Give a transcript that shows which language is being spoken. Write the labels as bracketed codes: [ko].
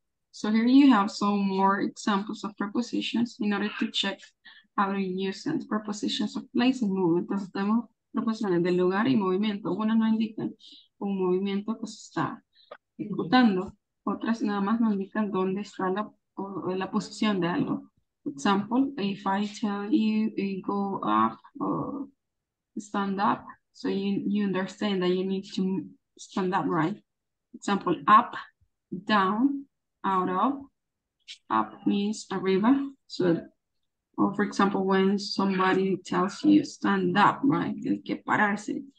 [en] So here you have some more examples of prepositions in order to check how to use them. Prepositions of place and movement. [es] Entonces tenemos preposiciones de lugar y movimiento. Una nos indica un movimiento que se está ejecutando. Otras nada más nos indican dónde está la posición de algo. [en] For example, if I tell you go up or stand up, so you understand that you need to stand up, right? Example, up, down, out of. Up means arriba. So, or for example, when somebody tells you stand up, right? [es] Hay que pararse.